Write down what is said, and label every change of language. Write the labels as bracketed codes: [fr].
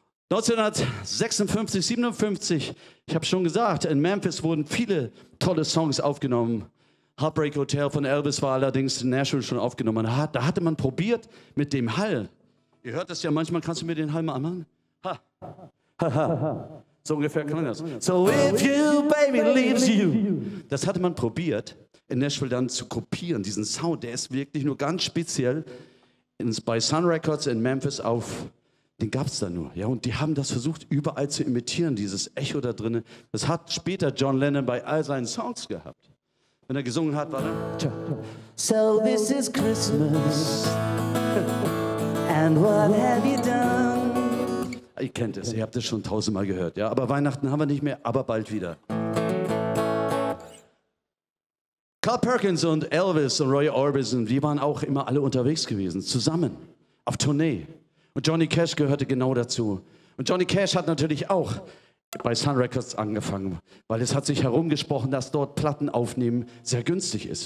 [de] 1956, 57, ich habe schon gesagt, in Memphis wurden viele tolle Songs aufgenommen. Heartbreak Hotel von Elvis war allerdings in Nashville schon aufgenommen. Da hatte man probiert mit dem Hall. Ihr hört das ja manchmal. Kannst du mir den Hall mal anmachen? Ha. So ungefähr klang das. [en] So if you baby leaves you. [de] Das hatte man probiert, in Nashville dann zu kopieren. Diesen Sound, der ist wirklich nur ganz speziell bei Sun Records in Memphis auf. Den gab es da nur. Ja, und die haben das versucht, überall zu imitieren, dieses Echo da drinnen. Das hat später John Lennon bei all seinen Songs gehabt. Wenn gesungen hat, war dann... [en] So this is Christmas, and what have you done? [de] Ihr kennt es, ihr habt es schon tausendmal gehört. Ja, aber Weihnachten haben wir nicht mehr, aber bald wieder. Carl Perkins und Elvis und Roy Orbison, die waren auch immer alle unterwegs gewesen, zusammen, auf Tournee. Und Johnny Cash gehörte genau dazu. Und Johnny Cash hat natürlich auch bei Sun Records angefangen, weil es hat sich herumgesprochen, dass dort Platten aufnehmen sehr günstig ist.